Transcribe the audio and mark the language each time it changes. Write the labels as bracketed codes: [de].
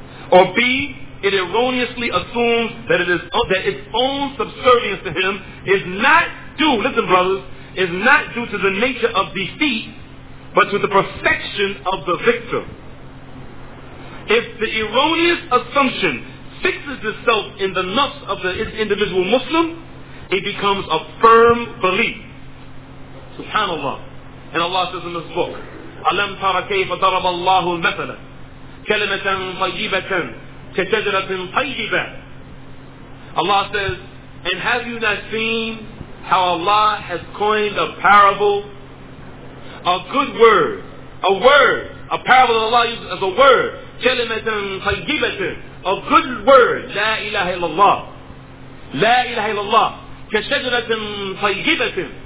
[en] Or B, it erroneously assumes that it is that its own subservience to him is not due, listen brothers, is not due to the nature of defeat, but to the perfection of the victim. If the erroneous assumption fixes itself in the nafs of the individual Muslim, it becomes a firm belief. Subhanallah. And Allah says in this book, [ar] أَلَمْ تَرَ كَيْفَ ضَرَبَ اللَّهُ الْمَثَلَ كَلِمَةً طَيِّبَةً كَشَجَرَةٍ طَيِّبَةً. [en] Allah says, and have you not seen how Allah has coined a parable, a good word, a word, a parable that Allah uses as a word, [ar] كَلِمَةً طَيِّبَةً, [en] a good word, [ar] لَا إِلَهَ إِلَّا اللَّهِ, [en] لَا إِلَهَ إِلَّا اللَّهِ, [ar] كَشَجَرَةٍ طَيِّبَةٍ,